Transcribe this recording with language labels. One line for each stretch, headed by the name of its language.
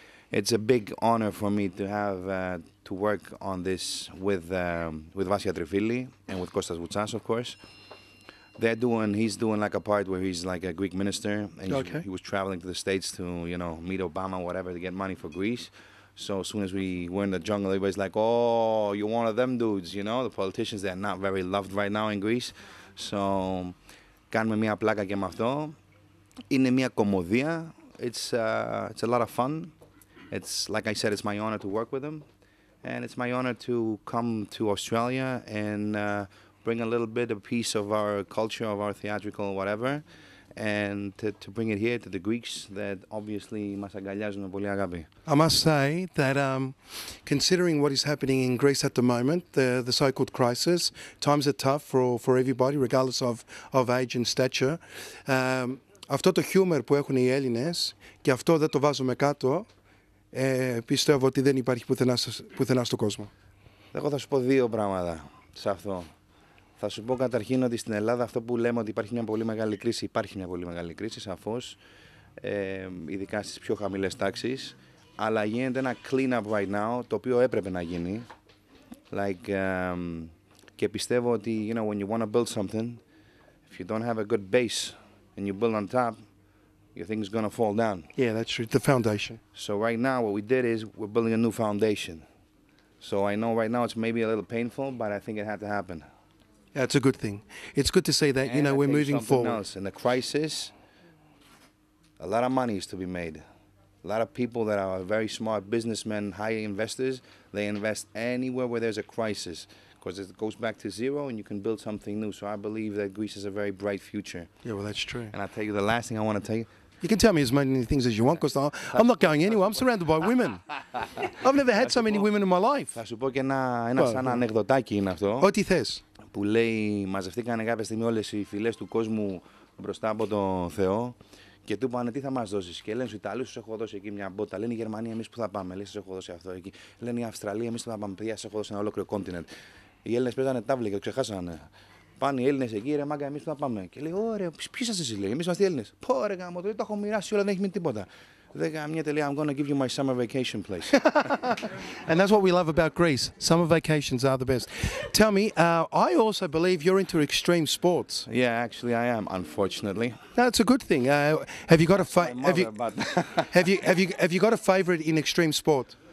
English: It's a big honor for me to have to work on this with Vasya Trifili and with Kostas Vutsas, of course. He's doing like a part where he's like a Greek minister, and okay. He was traveling to the States to, you know, meet Obama, whatever, to get money for Greece. So as soon as we were in the jungle, everybody's like, oh, you're one of them dudes, you know, the politicians, they're not very loved right now in Greece.
Greek: So, κάνουμε μια πλάκα και με αυτό. Είναι μια κωμωδία.
English: It's a lot of fun. It's, like I said, it's my honor to work with him. And it's my honor to come to Australia and bring a little bit, a piece of our culture, of our theatrical whatever, and to bring it here to the Greeks that obviously
Greek: μας αγκαλιάζουν με πολύ αγάπη.
English: I must say that considering what is happening in Greece at the moment, the so-called crisis, times are tough for everybody, regardless of age and stature.
Greek: Αυτό το χιούμερ που έχουν οι Έλληνες, και αυτό δεν το βάζουμε κάτω, πιστεύω ότι δεν υπάρχει πουθενά στον κόσμο. Εγώ θα σου πω δύο πράγματα σε αυτό. Θα σου πω καταρχήν ότι στην Ελλάδα αυτό που λέμε ότι υπάρχει μια πολύ μεγάλη κρίση, υπάρχει μια πολύ μεγάλη κρίση, σαφώς, ειδικά στις πιο χαμηλές τάξεις, αλλά γίνεται ένα
English: clean-up right now,
Greek: το οποίο έπρεπε να γίνει.
English: Like,
Greek: και πιστεύω ότι,
English: you know, when you want to build something, if you don't have a good base and you build on top, your thing is going to fall down. Yeah, that's true, the foundation. So right now what we did is we're building a new foundation. So I know right now it's maybe a little painful, but I think it had to happen. That's a good thing. It's good to say that, and you know, we're moving forward. Else. In the crisis, a lot of money is to be made. A lot of people that are very smart businessmen, high investors, they invest anywhere where there's a crisis because it goes back to zero and you can build something new. So I believe that Greece has a very bright future. Yeah, well, that's true. And I'll tell you the last thing I want to tell you. You can tell me as many things as you want, because I'm not going anywhere. I'm surrounded by women. I've never had so many women in my life.
Greek: Θα σου πω και ένα σαν ανεκδοτάκι είναι αυτό. Ό,τι θες. Που λέει, μαζευτήκανε κάποια στιγμή όλες οι φυλές του κόσμου μπροστά από τον Θεό και του είπανε τι θα μας δώσεις. Και λένε, στους Ιταλούς σου έχω δώσει εκεί μια μπότα. Λένε, η Γερμανία, εμείς που θα πάμε. Λέει, σας έχω δώσει αυτό εκεί. Λένε, η Αυστραλία, εμείς που θα πάμε. Παιδιά, σας έχω δώσει ένα ολόκληρο κόντινεντ. Οι Έλληνες παίζανε τάβλη και το ξεχάσανε. Πάνε οι Έλληνες εκεί, ρε μάγκα, εμείς που θα πάμε. Και λέει, ωραία, ποιοι είσαστε εσείς, λέει, εμείς είμαστε οι Έλληνες. Πόρε γάμο, το έχω μοιράσει όλα, δεν έχει μείνει τίποτα.
English: They go, I'm going to give you my summer vacation place. And that's what we love about Greece. Summer vacations are the best. Tell me, I also believe you're into extreme sports. Yeah, actually I am, unfortunately. No, it's a good thing. Have you got a favorite in extreme sport?